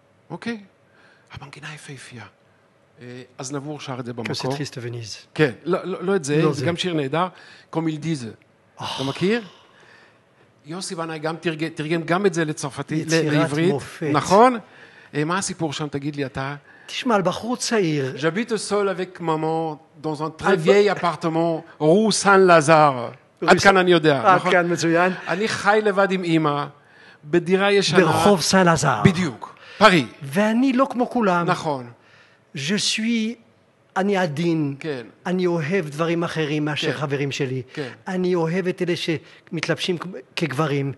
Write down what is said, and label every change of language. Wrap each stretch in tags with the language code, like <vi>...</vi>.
<he>אוקיי? המנגינה יפהפייה. אז נבור שר את זה במקור. כסת טריסט וניז. כן, לא את זה, זה גם שיר נהדר. קומיל דיזה. אתה מכיר? יוסי בנאי גם תרגם גם את זה לצרפתית, לעברית. יצירת מופת. נכון? מה הסיפור שם, תגיד לי אתה? תשמע, על בחור צעיר.</he> <fr>J'habite seul avec maman dans un très vieil appartement rue Saint-Lazare.</fr> <he>עד כאן אני יודע. עד כאן, מצוין. אני חי לבד עם אמא, בדירה ישנה. ברחוב סן-לזאר. בדיוק. פרי. ואני לא כמו כולם. נכון.</he> <fr>Je suis...</fr> <he>אני עדין. כן. אני אוהב דברים אחרים מאשר כן. חברים שלי. כן. אני אוהב את אלה שמתלבשים כגברים.</he>